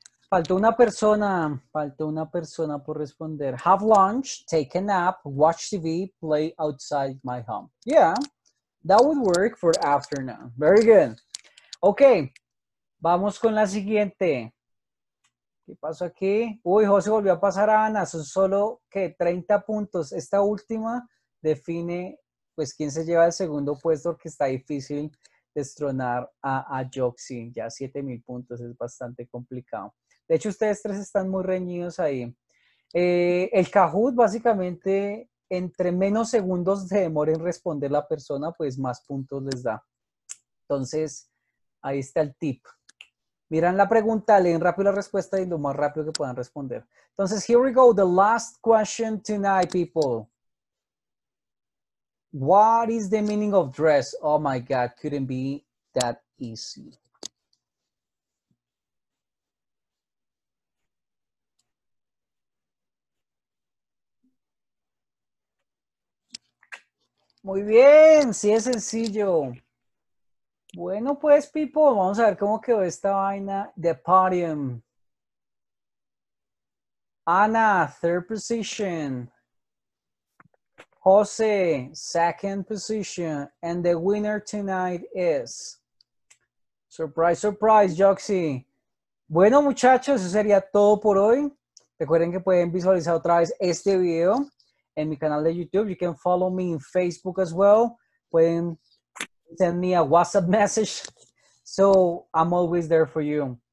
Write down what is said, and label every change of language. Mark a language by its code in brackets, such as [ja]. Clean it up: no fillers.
[es] Faltó una persona por responder. [en] Have lunch, take a nap, watch TV, play outside my home. Yeah. That would work for afternoon. Very good. Okay. [es] Vamos con la siguiente. ¿Qué pasó aquí? Uy, José volvió a pasar a Ana. Son solo, ¿qué? 30 puntos. Esta última define, pues, quién se lleva el segundo puesto, que está difícil destronar a Joxy. Ya 7,000 puntos. Es bastante complicado. De hecho, ustedes tres están muy reñidos ahí. El Kahoot, básicamente, entre menos segundos se demore en responder la persona, pues más puntos les da. Entonces, ahí está el tip. Miran la pregunta, leen rápido la respuesta y lo más rápido que puedan responder. Entonces, [en] here we go, the last question tonight, people. What is the meaning of dress? Oh my God, couldn't be that easy. [es] Muy bien, sí es sencillo. Bueno, pues, [en] people, [es] vamos a ver cómo quedó esta vaina de podium. [en] Ana, third position. Jose, second position. And the winner tonight is... Surprise, surprise, Joxy. [es] Bueno, muchachos, eso sería todo por hoy. Recuerden que pueden visualizar otra vez este video en mi canal de YouTube. [en] You can follow me in Facebook as well. [es] Pueden [en] send me a WhatsApp message. So I'm always there for you.